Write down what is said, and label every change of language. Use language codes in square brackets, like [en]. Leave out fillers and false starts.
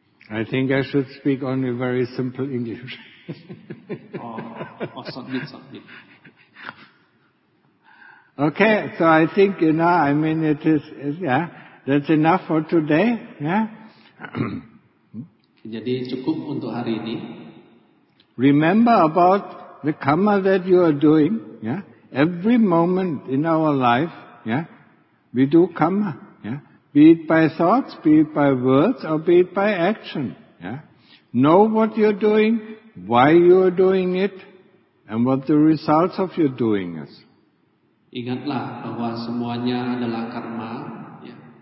[en] I think I should speak only very simple English. Oh, sort of. Okay, so I think, you know, I mean, it is, yeah, that's enough for today, yeah? [id] Jadi cukup untuk hari ini. [en] Remember about the karma that you are doing, yeah? Every moment in our life, yeah, we do karma, yeah? Be it by thoughts, be it by words, or be it by action, yeah? Know what you're doing, why you are doing it, and what the results of your doing is. [id] Ingatlah bahwa semuanya adalah karma, ya.